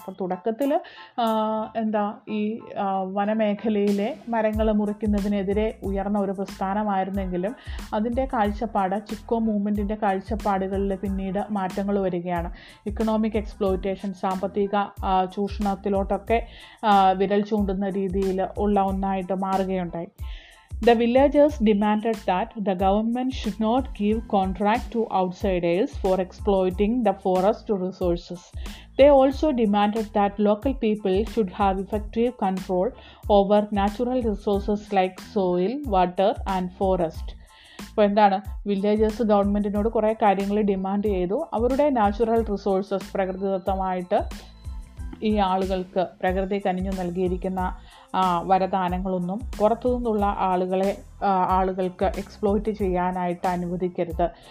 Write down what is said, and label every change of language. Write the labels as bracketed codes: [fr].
[ml] അപ്പോൾ തുടക്കത്തിൽ എന്താ ഈ വനമേഖലയിലെ മരങ്ങൾ മുറിക്കുന്നതിനെതിരെ ഉയർന്ന ഒരു പ്രസ്ഥാനം ായിരുന്നെങ്കിലും അതിൻ്റെ കാഴ്ചപ്പാട് ചിപ്കോ മൂവ്മെൻറ്റിൻ്റെ കാഴ്ചപ്പാടുകളിൽ പിന്നീട് മാറ്റങ്ങൾ വരികയാണ്. ഇക്കണോമിക് എക്സ്പ്ലോയിറ്റേഷൻ സാമ്പത്തിക ചൂഷണത്തിലോട്ടൊക്കെ വിരൽ ചൂണ്ടുന്ന രീതിയിൽ ഉള്ള ഒന്നായിട്ട് മാറുകയുണ്ടായി. [en] The villagers demanded that the government should not give contract to outsiders for exploiting the forest resources. They also demanded that local people should have effective control over natural resources like soil, water and forest. [ml] അപ്പോൾ എന്താണ് villagers ഗവൺമെൻറ്റിനോട് കുറേ കാര്യങ്ങൾ demand ചെയ്തു. അവരുടെ natural resources പ്രകൃതിദത്തമായിട്ട് ഈ ആളുകൾക്ക് പ്രകൃതി കനിഞ്ഞു നൽകിയിരിക്കുന്ന വരദാനങ്ങളൊന്നും പുറത്തുനിന്നുള്ള ആളുകൾക്ക് എക്സ്പ്ലോയിറ്റ് ചെയ്യാനായിട്ട് അനുവദിക്കരുത്.